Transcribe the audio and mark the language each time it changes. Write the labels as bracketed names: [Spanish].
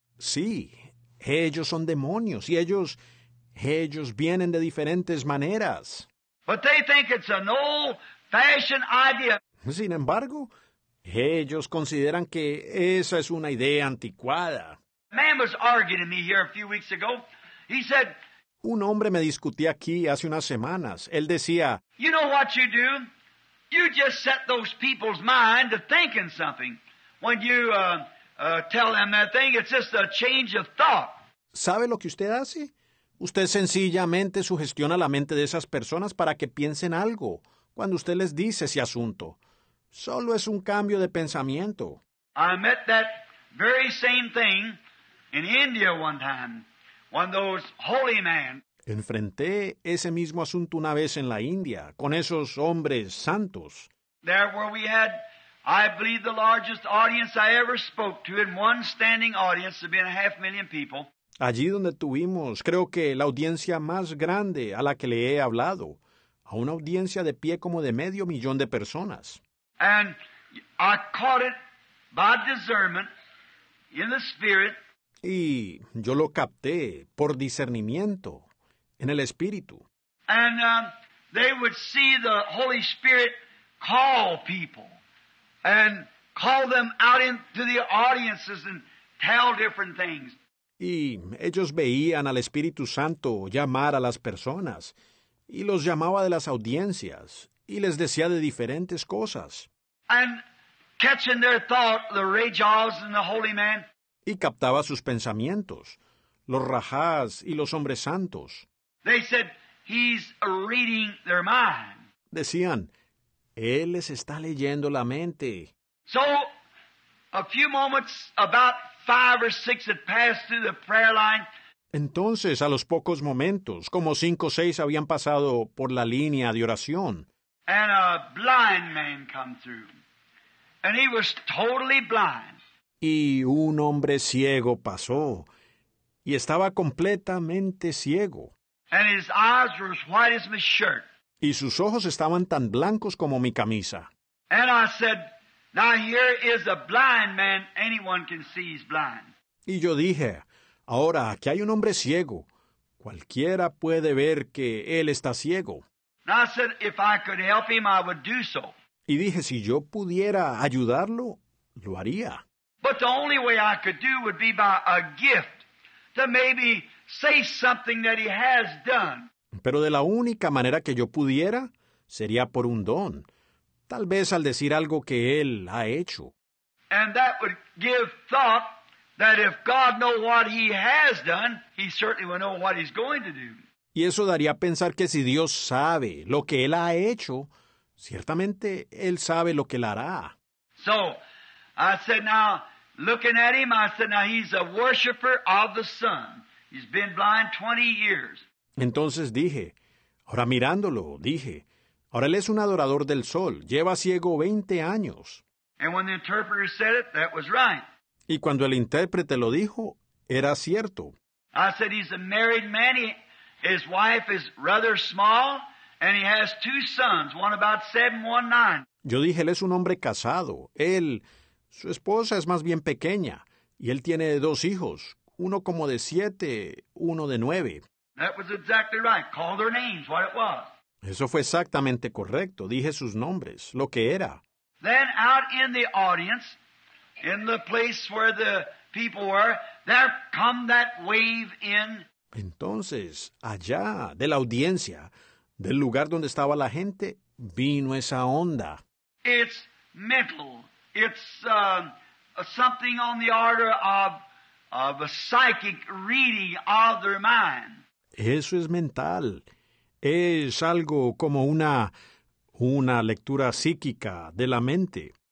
[Spanish] Sí, ellos son demonios. Y ellos vienen de diferentes maneras. [English] But they think it's an old-fashioned idea. [Spanish] Sin embargo, ellos consideran que esa es una idea anticuada. [English] A man was arguing with me here a few weeks ago. He said, [Spanish] un hombre me discutía aquí hace unas semanas. Él decía, [English] you know what you do? You just set those people's mind to thinking something. When you tell them that thing, it's just a change of thought. [Spanish] ¿Sabe lo que usted hace? Usted sencillamente sugestiona la mente de esas personas para que piensen algo cuando usted les dice ese asunto. Solo es un cambio de pensamiento. [English] I met that very same thing in India one time, when those holy men. [Spanish] Enfrenté ese mismo asunto una vez en la India con esos hombres santos. [English] There where we had, I believe, the largest audience I ever spoke to in one standing audience of being a 500,000 people. [Spanish] Allí donde tuvimos, creo que la audiencia más grande a la que le he hablado, a una audiencia de pie como de 500,000 de personas. [English] And I caught it by discernment in the spirit. [Spanish] Y yo lo capté por discernimiento en el espíritu. [English] And they would see the Holy Spirit call people and call them out into the audiences and tell different things. [Spanish] Y ellos veían al Espíritu Santo llamar a las personas, y los llamaba de las audiencias, y les decía de diferentes cosas. [English] And catching their thought, the Rajahs and the holy man. [Spanish] Y captaba sus pensamientos, los Rajahs y los hombres santos. [English] They said, he's reading their mind. [Spanish] Decían, él les está leyendo la mente. [English] So, a few moments, about five or six had passed through the prayer line. [Spanish] Entonces, a los pocos momentos, como cinco o seis habían pasado por la línea de oración. [English] And a blind man come through. And he was totally blind. [Spanish] Y un hombre ciego pasó, y estaba completamente ciego. [English] And his eyes were as white as my shirt. [Spanish] Y sus ojos estaban tan blancos como mi camisa. [English] And I said, now here is a blind man, anyone can see he's blind. [Spanish] Y yo dije, ahora aquí hay un hombre ciego, cualquiera puede ver que él está ciego. [English] And I said, if I could help him, I would do so. [Spanish] Y dije, si yo pudiera ayudarlo, lo haría. [English] But the only way I could do would be by a gift to maybe say something that he has done. [Spanish] Pero de la única manera que yo pudiera sería por un don, tal vez al decir algo que él ha hecho. [English] And that would give thought that if God know what he has done, he certainly will know what he's going to do. [Spanish] Y eso daría a pensar que si Dios sabe lo que él ha hecho, ciertamente él sabe lo que él hará. [English] So, I said, now, looking at him, I said, now, he's a worshiper of the sun. He's been blind 20 years. [Spanish] Entonces dije, ahora mirándolo, dije, ahora él es un adorador del sol, lleva ciego 20 años. [English] And when the interpreter said it, that was right. [Spanish] Y cuando el intérprete lo dijo, era cierto. [English] I said, he's a married man, his wife is rather small, and he has two sons, one about 7, 1, 9. [Spanish] Yo dije, él es un hombre casado, él... Su esposa es más bien pequeña, y él tiene dos hijos, uno como de 7, 1 de 9. [English] That was exactly right. Call their names, what it was. [Spanish] Eso fue exactamente correcto. Dije sus nombres, lo que era. [English] Then out in the audience, in the place where the people were, there come that wave in. [Spanish] Entonces, allá, de la audiencia, del lugar donde estaba la gente, vino esa onda. [English] It's mental. It's something on the order of a psychic reading of their mind. [Spanish] Eso es mental. Es algo como una lectura psíquica de la mente.